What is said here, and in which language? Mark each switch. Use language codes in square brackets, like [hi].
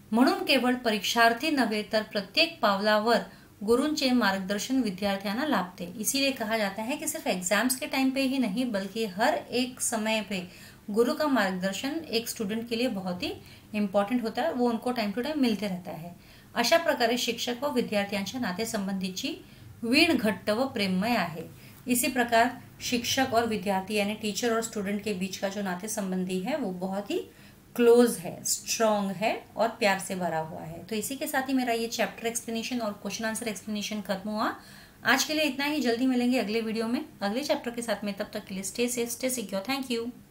[mr] म्हणून केवळ परीक्षार्थी नव्हे तर प्रत्येक पावलावर गुरुंचे मार्गदर्शन विद्यार्थ्यांना लाभते। [hi] इसीलिए कहा जाता है कि सिर्फ एग्जाम्स के टाइम पे ही नहीं, बल्कि हर एक समय पे गुरु का मार्गदर्शन एक स्टूडेंट के लिए बहुत ही इम्पॉर्टेंट होता है, वो उनको टाइम टू टाइम मिलते रहता है। [mr] अशा प्रकारे शिक्षक व विद्यार्थ्यांच्या नाते संबंधीची वीण घट्ट व प्रेममय आहे। [hi] इसी प्रकार शिक्षक और विद्यार्थी यानी टीचर और स्टूडेंट के बीच का जो नाते संबंधी है वो बहुत ही क्लोज है, स्ट्रॉन्ग है और प्यार से भरा हुआ है। तो इसी के साथ ही मेरा ये चैप्टर एक्सप्लेनेशन और क्वेश्चन आंसर एक्सप्लेनेशन खत्म हुआ। आज के लिए इतना ही, जल्दी मिलेंगे अगले वीडियो में अगले चैप्टर के साथ में। तब तक के लिए stay safe, stay secure, thank you.